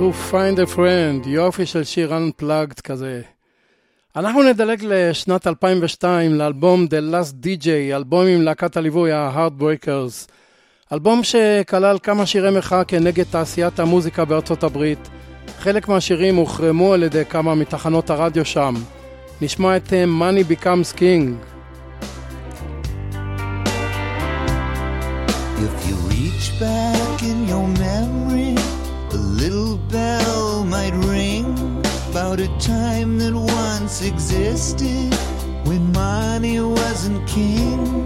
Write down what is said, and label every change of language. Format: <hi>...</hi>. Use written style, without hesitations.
<he>Find a Friend, יופי של שיר Unplugged כזה. אנחנו נדלג לשנת 2002 לאלבום The Last DJ, אלבום עם להקת הליווי ה-Heartbreakers. אלבום שכלל כמה שירי מחאה כנגד תעשיית המוזיקה בארצות הברית. חלק מהשירים הוחרמו על ידי כמה מתחנות הרדיו שם. נשמע את Money Becomes King.</he> <en>If you reach back in your memory, a little bell might ring about a time that once existed when money wasn't king.</en>